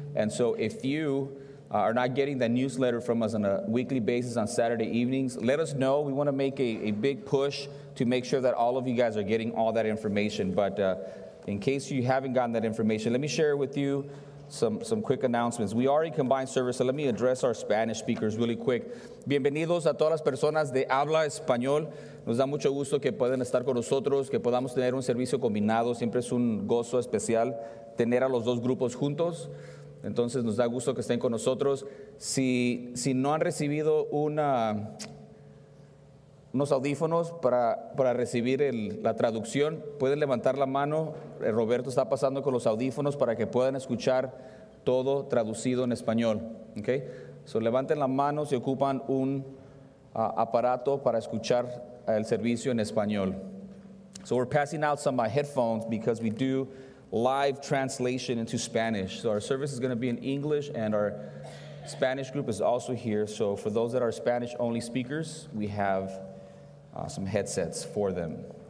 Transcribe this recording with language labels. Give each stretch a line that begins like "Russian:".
English: And so if you are not getting that newsletter from us on a weekly basis on Saturday evenings, let us know. We want to make a big push to make sure that all of you guys are getting all that information. But in case you haven't gotten that information, let me share with you some quick announcements. We already combined service, so let me address our Spanish speakers really quick.
Spanish: Bienvenidos a todas las personas de habla español. Nos da mucho gusto que puedan estar con nosotros, que podamos tener un servicio combinado. Siempre es un gozo especial tener a los dos grupos juntos. Entonces, nos da gusto que estén con nosotros. Si no han recibido unos audífonos para recibir la traducción, pueden levantar la mano. Roberto está pasando con los audífonos para que puedan escuchar todo traducido en español. Okay? So, levanten la mano si ocupan un aparato para escuchar el servicio en español.
English: So, we're passing out some of my headphones because we do live translation into Spanish. So our service is going to be in English, and our Spanish group is also here. So for those that are Spanish-only speakers, we have some headsets for them.